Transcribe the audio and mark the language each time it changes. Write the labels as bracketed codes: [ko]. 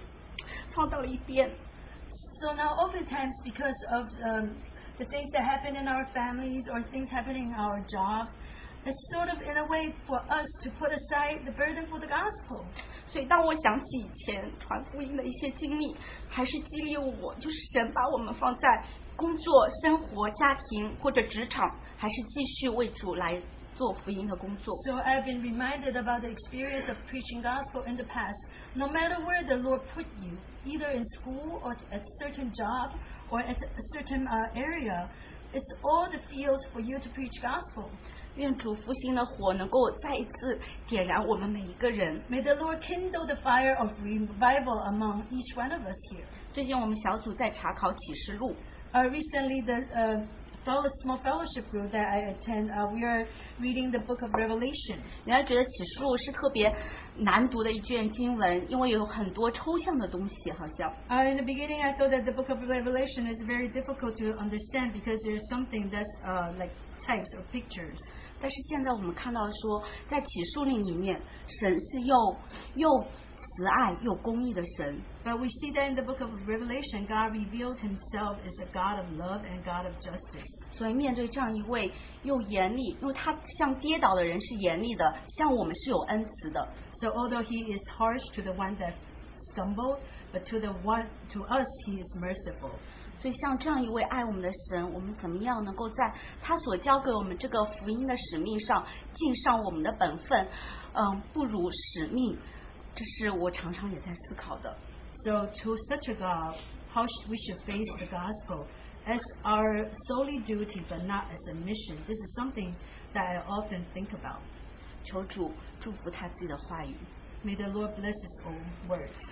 [zh] 现在有些时候我们好像因为家庭各样的事情，孩子有各样的事情，就把神的使命、神的福音放到了一边。 [en] So now oftentimes because of the things that happen in our families or things happening in our job, it's sort of in a way for us to put aside the burden for the gospel. [zh] 所以当我想起以前传福音的一些经历，还是激励我，就是神把我们放在工作、生活、家庭或者职场，还是继续为主来做福音的工作。 [en] So I've been reminded about the experience of preaching gospel in the past. No matter where the Lord put you, either in school or at a certain job or at a certain area, it's all the fields for you to preach gospel. [zh] 愿主复兴的火能够再一次点燃我们每一个人。 [en] May the Lord kindle the fire of revival among each one of us here. [zh] 最近我们小组在查考启示录。 [en] Recently, the small fellowship group that I attend, we are reading the book of Revelation. [zh] 原来觉得启示录是特别难读的一卷经文，因为有很多抽象的东西，好像。 [en] In the beginning, I thought that the book of Revelation is very difficult to understand because there's something that's like types or pictures. [zh] 但是现在我们看到说，在启示录里面，神是又慈爱又公义的神。 [en] But we see that in the book of Revelation, God revealed himself as a God of love and God of justice. [zh] 所以面对这样一位又严厉，因为他向跌倒的人是严厉的，向我们是有恩慈的。 [en] So although he is harsh to the one that stumbled, but to the one to us he is merciful. [zh] 所以像这样一位爱我们的神，我们怎么样能够在他所交给我们这个福音的使命上尽上我们的本分，不辱使命，这是我常常也在思考的。 [en] So to such a God, how we should face the gospel as our solely duty, but not as a mission. This is something that I often think about. [zh] 求主祝福他自己的话语。 [en] May the Lord bless His own word.